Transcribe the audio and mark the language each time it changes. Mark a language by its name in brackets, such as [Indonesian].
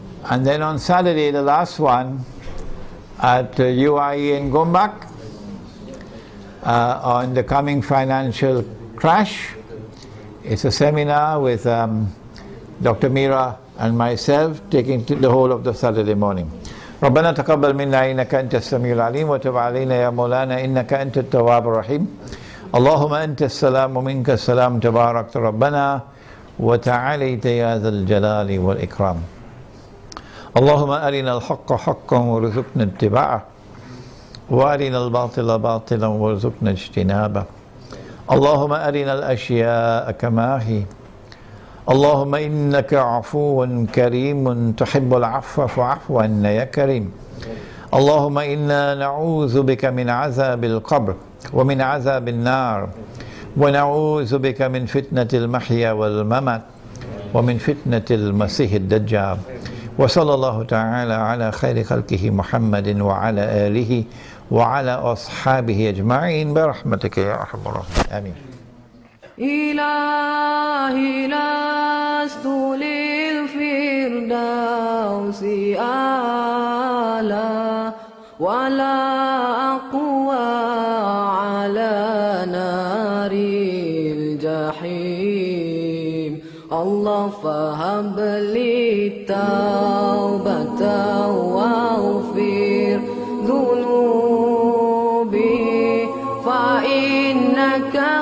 [English] And then on Saturday, the last one, at UIE in Gombak, on the coming financial crash. It's a seminar with Dr. Mira and myself, taking the whole of the Saturday morning. [Arabic] ربنا تقبل منا إنك أنت السميع العليم وتب علينا يا مولانا إنك أنت التواب الرحيم اللهم أنت السلام منك السلام تبارك ربنا وتعاليت يا ذا الجلال والإكرام اللهم أرنا الحق حقا ورزقنا اتباعه وأرنا الباطل باطلا ورزقنا اجتنابه اللهم أرنا الأشياء كما هي اللهم إنك عفو كريم تحب العفو فاعف عنا يا كريم اللهم إنا نعوذ بك من عذاب القبر ومن عذاب النار ونعوذ بك من فتنة المحيا والممات ومن فتنة المسيح الدجال وصلى الله تعالى على خير خلقه محمد وعلى آله وعلى أصحابه أجمعين برحمتك يا أرحم الراحمين آمين إلهي لست للفردوس أعلى ولا أقوى على نار الجحيم الله فهب لي التوبة واغفر ذنوبي فإنك